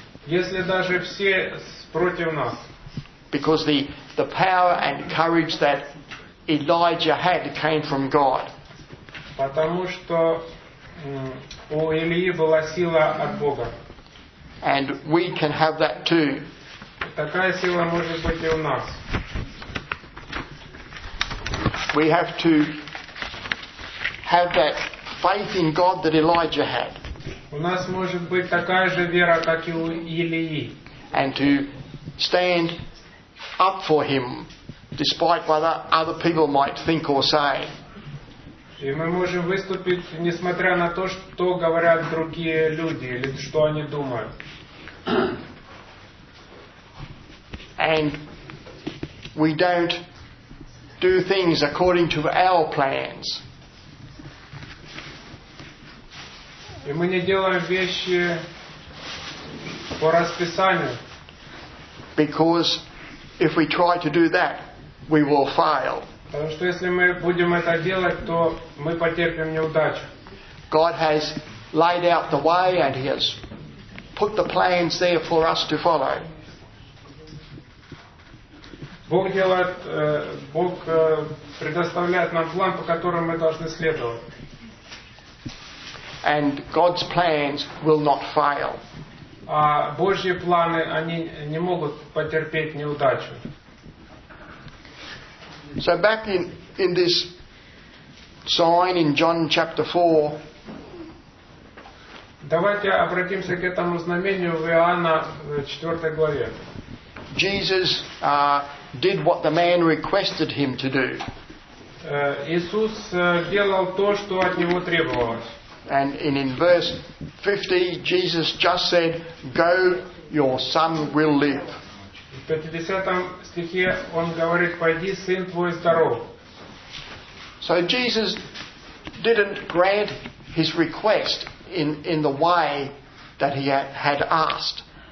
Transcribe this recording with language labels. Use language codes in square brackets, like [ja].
[ru] Если даже все против нас. [en] Because the power and courage that Elijah had came from God. [ru] Потому что у Илии была сила от Бога. [en] And we can have that too. [ru] Такая сила может быть и у нас. [en] We have to have that faith in God that Elijah had. [ru] У нас может быть такая же вера, как и у Илии. [en] And to stand up for him despite what other people might think or say. [ru] И мы можем выступить, несмотря на то, что говорят другие люди или что они думают. [en] And we don't do things according to our plans. [ru] И мы не делаем вещи по расписанию. [en] Because if we try to do that, we will fail. [ru] Потому что если мы будем это делать, то мы потерпим неудачу. [en] God has laid out the way and he has put the plans there for us to follow. [ru] Бог делает, Бог предоставляет нам план, по которому мы должны следовать. [en] And God's plans will not fail. [ru] А Божьи планы, они не могут потерпеть неудачу. [en] So back in this sign in John chapter 4. [ru] Давайте обратимся к этому знамению в Иоанна 4 главе. [en] Jesus did what the man requested him to do. [ru] Иисус делал то, что от него требовалось. [en] And in verse 50, Jesus just said, "Go, your son will live." [ru] В 50 стихе он говорит: "Пойди, сын твой здоров." [en] So Jesus didn't grant his request in the way that he had asked.